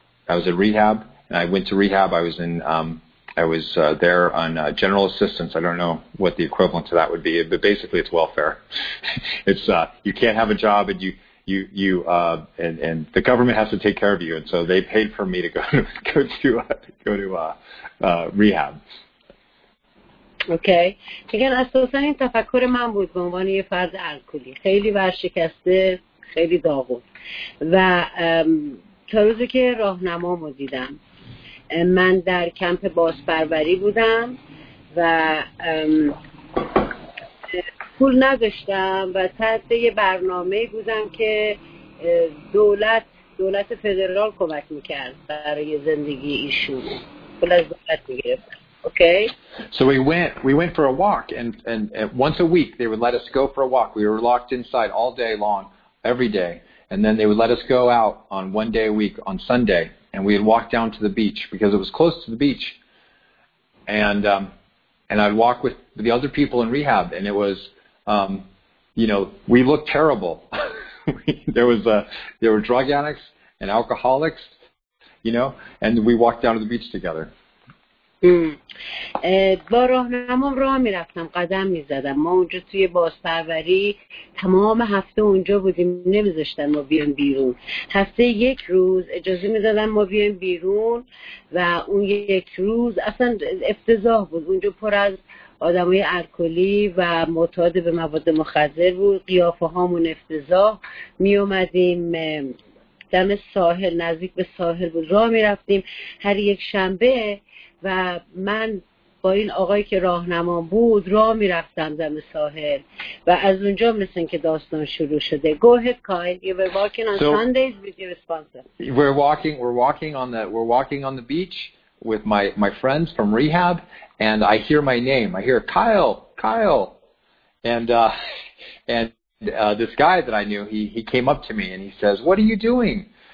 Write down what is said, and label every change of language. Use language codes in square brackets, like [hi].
[en] And I went to rehab. I was there on general assistance. I don't know what the equivalent to that would be, but basically it's welfare. you can't have a job and you and the government has to take care of you, and so they paid for me to go to rehab. Okay. [fa] Again, اساساً این تفکر من بود به عنوان یه فرد الکلی، خیلی ورشکسته، خیلی داغون. و تا روزی که راهنمامو دیدم، من در کمپ بازپروری بودم و پول نداشتم و تحت یه برنامه‌ای بودم که دولت فدرال کمک می‌کرد برای زندگی ایشون. پول از دولت می‌گرفتم. Okay. [en] So we went for a walk and once a week they would let us go for a walk. We were locked inside all day long, every day, and then they would let us go out on one day a week on Sunday, and we would walk down to the beach because it was close to the beach. And I'd walk with the other people in rehab, and it was we looked terrible. there were drug addicts and alcoholics, you know, and we walked down to the beach together. [fa] با راهنمام راه می رفتم، قدم می زدم. ما اونجا توی بازپروری تمام هفته اونجا بودیم، نمی زشتن ما بیان بیرون. هفته یک روز اجازه می دادن ما بیان بیرون و اون یک روز اصلا افتضاح بود. اونجا پر از آدم های الکلی و معتاد به مواد مخدر بود. قیافه هامون افتضاح. می اومدیم دم ساحل، نزدیک به ساحل بود، راه می رفتیم هر یک شنبه و من با این آقایی که راهنمام بود راه می رفتم دم ساحل و از اونجا مثل که داستان شروع شده. [en] Go ahead, Kyle. You were walking on Sundays with your sponsor. We're walking on the beach with my friends from rehab, and I hear my name. I hear Kyle, and this guy that I knew, he came up to me and he says, "What are you doing?"